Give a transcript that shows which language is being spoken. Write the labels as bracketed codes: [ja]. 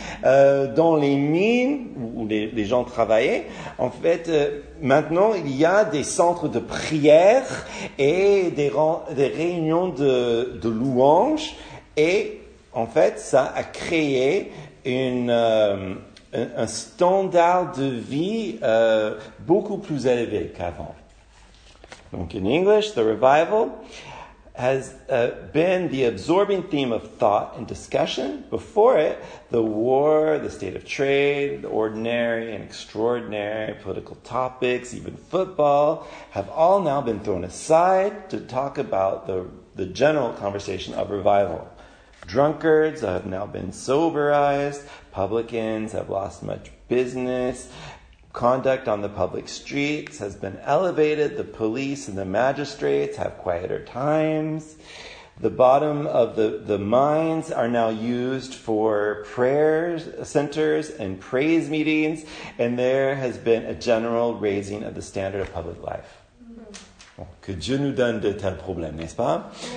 [fr] Dans les mines où les gens travaillaient, en fait, maintenant, il y a des centres de prière et des réunions de louanges. Et en fait, ça a créé un standard de vie beaucoup plus élevé qu'avant. [en] Donc, in English, the revival has been the absorbing theme of thought and discussion. Before it, the war, the state of trade, the ordinary and extraordinary political topics, even football, have all now been thrown aside to talk about the general conversation of revival. Drunkards have now been soberized. Publicans have lost much business. Conduct on the public streets has been elevated. The police and the magistrates have quieter times. The bottom of the mines are now used for prayer centers and praise meetings. And there has been a general raising of the standard of public life. Mm-hmm. [fr] Que Dieu nous donne de tels problèmes, n'est-ce pas?